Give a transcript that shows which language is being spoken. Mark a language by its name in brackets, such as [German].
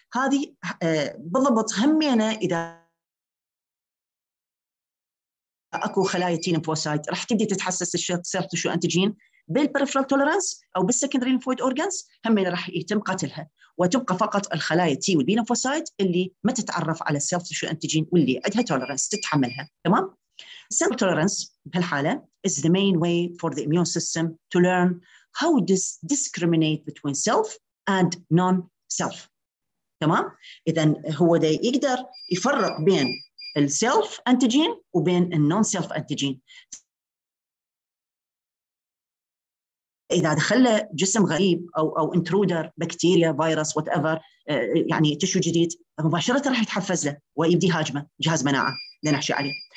[Arabic] هذه بالضبط همينه اذا اكو خلايا تي ليمفوسايت راح تبدي تتحسس السيلف تشو انتيجين بالبريفرال تولرانس او بالسكندري ليمفويد اورجانس، هم راح يتم قتلها وتبقى فقط الخلايا تي والبي ليمفوسايت اللي ما تتعرف على السيلف تشو انتيجين واللي عندها تولرانس تتحملها. تمام، السيلف تولرانس بهالحاله [English] is the main way for the immune system to learn how does discriminate between self and non self. [Arabic] تمام، اذا هو ده يقدر يفرق بين السيلف انتيجين وبين النون سيلف انتيجين. اذا دخل جسم غريب او انترودر بكتيريا فيروس وات ايفر يعني تشو جديد مباشره راح يتحفز له ويبدي هاجمه جهاز مناعه اللي نحشي عليه.